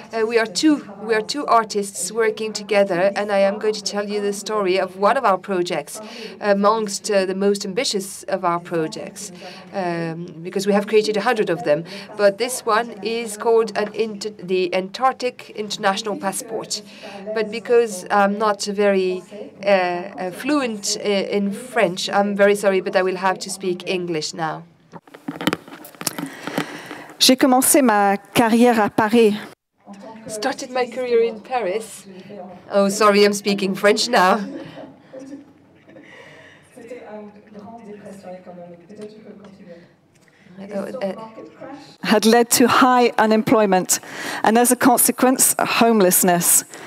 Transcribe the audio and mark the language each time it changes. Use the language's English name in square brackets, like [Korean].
[English] We are two artists working together, and I am going to tell you the story of one of our projects, amongst the most ambitious of our projects, because we have created 100 of them. But this one is called the Antarctic International Passport. But because I'm not very fluent in French, I'm very sorry, but I will have to speak English now. [French] J'ai commencé ma carrière à Paris. [English] Started my career in Paris. Oh, sorry, I'm speaking French now. Had led to high unemployment and as a consequence, homelessness.